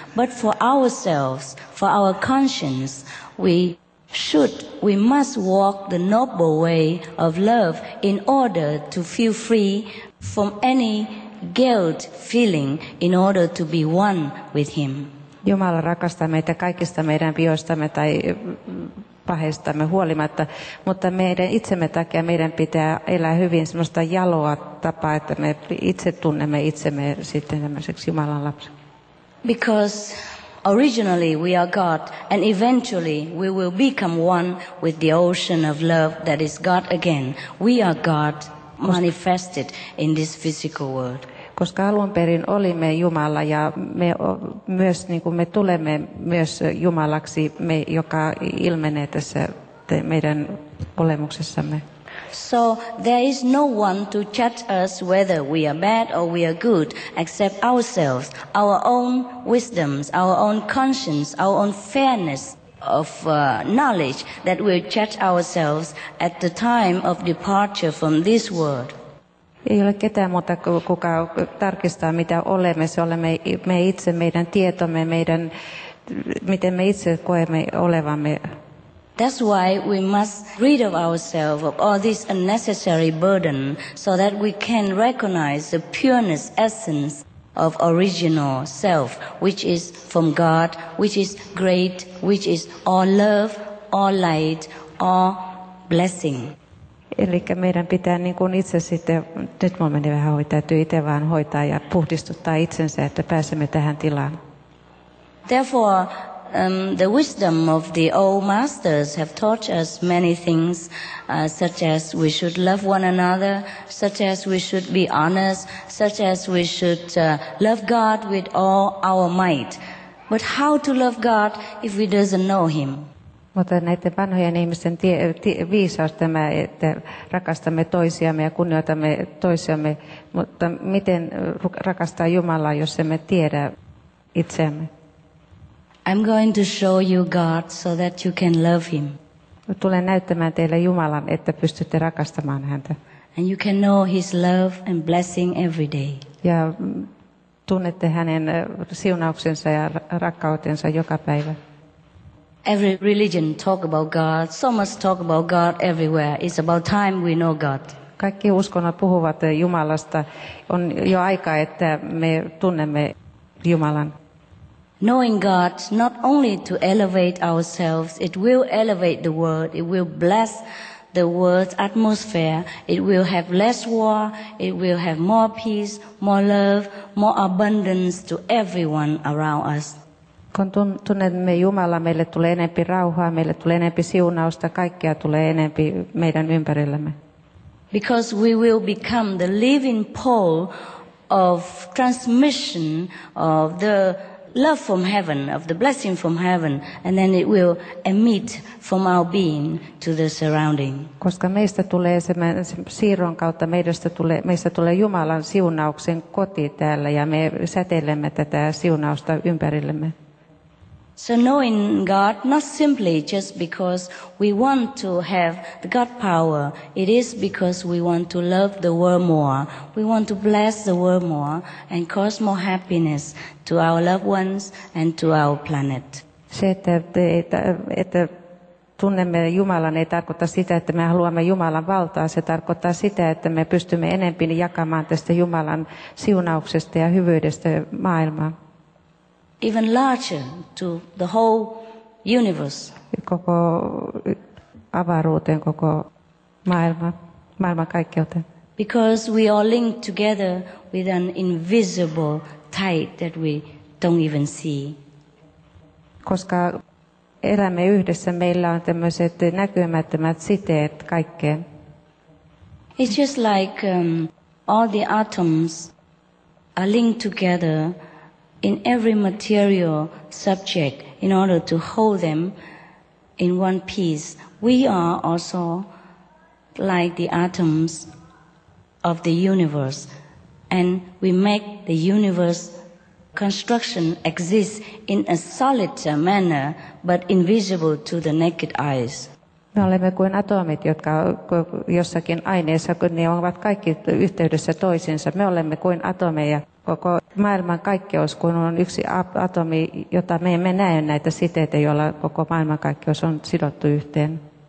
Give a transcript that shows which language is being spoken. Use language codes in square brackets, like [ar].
[en] But for ourselves, for our conscience, we must walk the noble way of love in order to feel free from any guilt feeling, in order to be one with Him. [fi] Jumala rakastaa meitä kaikista meidän vioistamme tai paheistamme huolimatta, mutta meidän itsemme takia meidän pitää elää hyvin semmoista jaloa tapaa, että me itse tunnemme itsemme sitten tämmöiseksi Jumalan lapsi. [en] Because originally we are God, and eventually we will become one with the ocean of love that is God again. We are God manifested in this physical world. [fi] Koska alun perin olimme Jumala ja me myös niin kuin me tulemme myös Jumalaksi, me joka ilmenee tässä meidän olemuksessamme. [en] So there is no one to judge us whether we are bad or we are good except ourselves, our own wisdoms, our own conscience, our own fairness of knowledge that will judge ourselves at the time of departure from this world. [fi] Ei ole ketään muuta, kuka tarkistaa, mitä olemme. Se olemme me itse, meidän tietomme, meidän, miten me itse koemme olevamme. [en] That's why we must rid of ourselves of all this unnecessary burden, so that we can recognize the pureness essence of original self, which is from God, which is great, which is all love, all light, all blessing. [fi] Eli meidän pitää niin kuin itse sitten, nyt minulla meni vähän hoitaa, täytyy itse vaan hoitaa ja puhdistuttaa itsensä, että pääsemme tähän tilaan. [en] Therefore, the wisdom of the old masters have taught us many things, such as we should love one another, such as we should be honest, such as we should love God with all our might. But how to love God if we doesn't know Him? [fi] Mutta näiden vanhojen ihmisten viisaus tämä, että rakastamme toisiamme ja kunnioitamme toisiamme, mutta miten rakastaa Jumalaa, jos emme tiedä itseämme? [en] I'm going to show you God so that you can love Him. [fi] Tulen näyttämään teille Jumalan, että pystytte rakastamaan häntä. [en] And you can know His love and blessing every day. [fi] Ja tunnette hänen siunauksensa ja rakkautensa joka päivä. [en] Every religion talk about God. So much talk about God everywhere. It's about time we know God. [fi] Kaikki uskonnot puhuvat Jumalasta. On jo aika, että me tunnemme Jumalan. [en] Knowing God not only to elevate ourselves, it will elevate the world. It will bless the world's atmosphere, it will have less war, it will have more peace, more love, more abundance to everyone around us. [fi] Kun tunnemme Jumala, meille tulee enempi rauhaa, meille tulee enempi siunausta, kaikkea tulee enempi meidän ympärillämme. [en] Because we will become the living pole of transmission of the love from heaven, of the blessing from heaven, and then it will emit from our being to the surrounding. [fi] Koska meistä tulee siirron kautta, meistä tulee Jumalan siunauksen koti täällä, ja me säteilemme tätä siunausta ympärillemme. [en] So knowing God not simply just because we want to have the God power, it is because we want to love the world more, we want to bless the world more and cause more happiness to our loved ones and to our planet. [fi] Se, että tunnemme Jumalan, ei tarkoita sitä, että me haluamme Jumalan valtaa, se tarkoittaa sitä, että me pystymme enemmän jakamaan tästä Jumalan siunauksesta ja hyvyydestä maailmaa. [en] Even larger to the whole universe. [fi] Koko avaruuteen, koko maailman kaikkeuteen. [en] Because we are linked together with an invisible tie that we don't even see. [fi] Koska elämme yhdessä, meillä on tämmöiset näkymättömät siteet kaikkeen. [en] It's just like all the atoms are linked together in every material subject in order to hold them in one piece. We are also like the atoms of the universe, and we make the universe construction exist in a solid manner but invisible to the naked eyes. [fi] Me olemme kuin atomit, jotka jossakin aineessa, kun ne ovat kaikki yhteydessä toisiinsa. Me olemme kuin atomeja. Koko maailman kaikkeus, kun on yksi atomi, jota me emme näe näitä siteitä, joilla koko maailman kaikkeus on sidottu yhteen.